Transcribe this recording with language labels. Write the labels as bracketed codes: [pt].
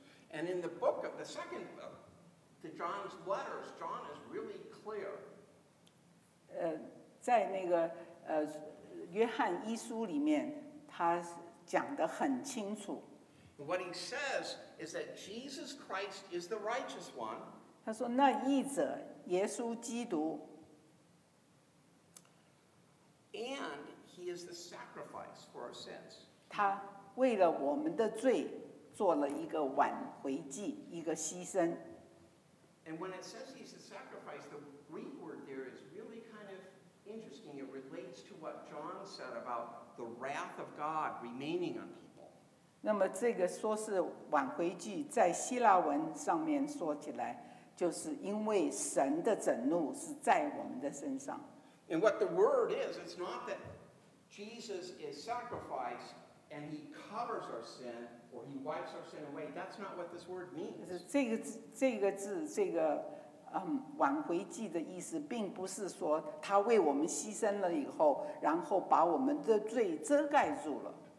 [en] And in the book of the second book, the John's letters, John is really clear. [zh] 在那个约翰一书里面，他讲得很清楚。 [en] What he says is that Jesus Christ is the righteous one. [zh] 他说那义者耶稣基督。 [en] And he is the sacrifice for our sins. [zh] 他为了我们的罪做了一个挽回祭，一个牺牲。 [en] And when it says he's the sacrifice, the Greek word there is really kind of interesting. It relates to what John said about the wrath of God remaining on people. [zh] 那么这个说是挽回祭，在希腊文上面说起来，就是因为神的震怒是在我们的身上。 [en] And what the word is, it's not that Jesus is sacrificed and he covers our sin or he wipes our sin away. That's not what this word means. [zh] 这个字，挽回祭的意思，并不是说他为我们牺牲了以后，然后把我们的罪遮盖住了。